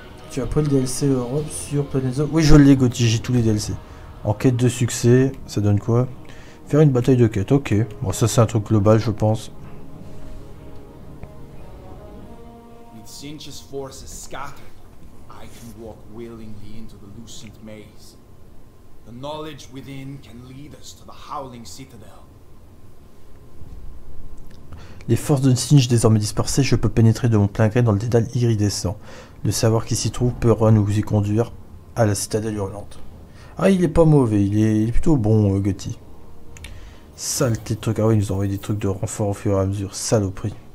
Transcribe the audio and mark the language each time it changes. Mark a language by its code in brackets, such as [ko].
[fr] Tu as pris le DLC Europe sur Planet Zoo? Oui, je l'ai, Gauthier, j'ai tous les DLC. En quête de succès, ça donne quoi? Faire une bataille de quête, ok. Bon, ça c'est un truc global, je pense. [en] With Sinch's forces scattered, I can walk willingly into the Lucent Maze. The knowledge within can lead us to the Howling Citadel. [fr] Les forces de Sinch désormais dispersées, je peux pénétrer de mon plein gré dans le dédale iridescent. Le savoir qui s'y trouve pourra nous y conduire à la citadelle hurlante. Ah, il est pas mauvais, il est plutôt bon, Gutty. Saleté de trucs. Ah oui, il nous envoie des trucs de renfort au fur et à mesure. Saloperie.